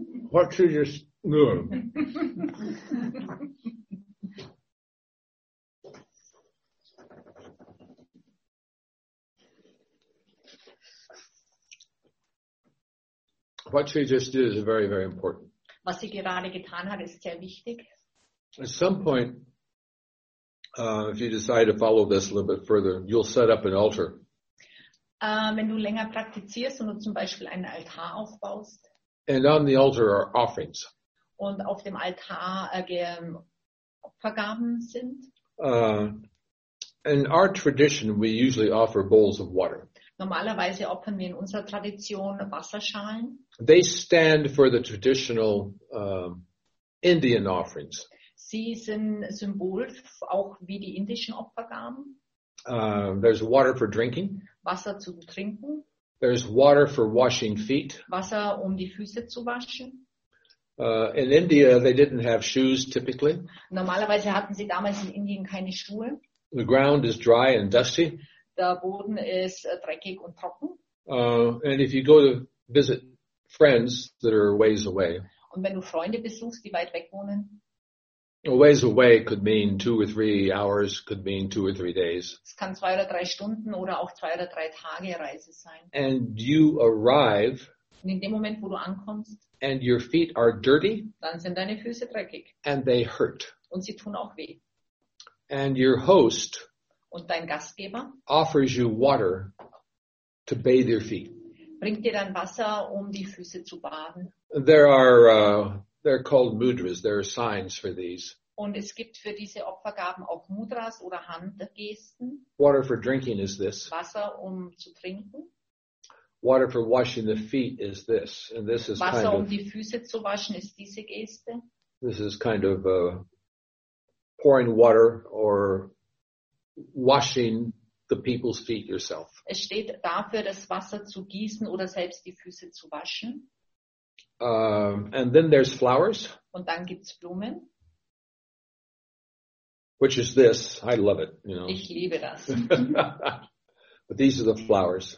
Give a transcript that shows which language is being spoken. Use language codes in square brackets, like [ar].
[en] What should you do? What she just did is very, very important. [de] Was sie gerade getan hat, ist sehr wichtig. [en] At some point, if you decide to follow this a little bit further, you'll set up an altar. [de] Wenn du länger praktizierst und du zum Beispiel einen Altar aufbaust. [en] And on the altar are offerings. [de] Und auf dem Altar Opfergaben sind. [en] In our tradition, we usually offer bowls of water. [de] Normalerweise opfern wir in unserer Tradition Wasserschalen. [en] They stand for the traditional Indian offerings. [de] Sie sind Symbol auch wie die indischen Opfergaben. [en] There's water for drinking. [de] Wasser zum Trinken. [en] There's water for washing feet. [de] Wasser um die Füße zu waschen. [en] In India they didn't have shoes typically. [de] Normalerweise hatten sie damals in Indien keine Schuhe. [en] The ground is dry and dusty. [de] Der Boden ist dreckig und trocken. [en] And if you go to visit friends that are ways away. [de] Und wenn du Freunde besuchst, die weit weg wohnen. [en] A ways away could mean 2 or 3 hours, could mean 2 or 3 days. [de] Es kann 2 oder 3 Stunden oder auch 2 oder 3 Tage Reise sein. [en] And you arrive. [de] Und in dem Moment, wo du ankommst. [en] And your feet are dirty. [de] Dann sind deine Füße dreckig. [en] And they hurt. [de] Und sie tun auch weh. [en] And your host. [de] Und dein Gastgeber [en] offers you water to bathe your feet. [de] Bringt dir dann Wasser, um die Füße zu baden. [en] There are they're called mudras. There are signs for these. [de] Und es gibt für diese Opfergaben auch Mudras oder Handgesten. [en] Water for drinking is this. [de] Wasser, um zu trinken. [en] Water for washing the feet is this. And this is [de] Wasser, [en] kind of, [de] um die Füße zu waschen, ist diese Geste. [en] This is kind of pouring water or washing the people's feet yourself. [de] Es steht dafür, das Wasser zu gießen oder selbst die Füße zu waschen. [en] And then there's flowers. [de] Und dann gibt's Blumen. [en] Which is this. I love it. You know. [de] Ich liebe das. [en] But these are the flowers.